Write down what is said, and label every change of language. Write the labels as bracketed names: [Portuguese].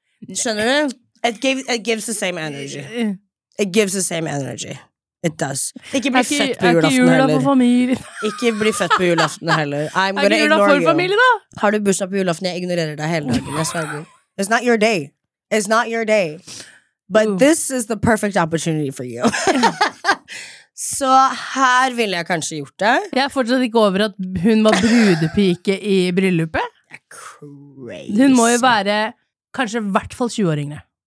[Norwegian] Skjønner du? [English] It gives the same energy. It gives the same energy. It does. [Norwegian] Ikke bli født på julaften heller. Ikke jula for familien. Ikke bli født på julaften heller. [English] I'm gonna ignore you. [Norwegian] Ikke jula for familien da? Har du bursdag på julaften, jeg ignorerer deg hele dagen. Jeg svarer. [English] It's not your day. It's not your day. But this is the perfect opportunity for you. [Norwegian] Så her ville jeg kanskje gjort det. Jeg er fortsatt ikke over at hun var brudepike i bryllupet. [English] Crazy. [Norwegian] Hun må jo være kanskje i hvert fall 20 år yngre.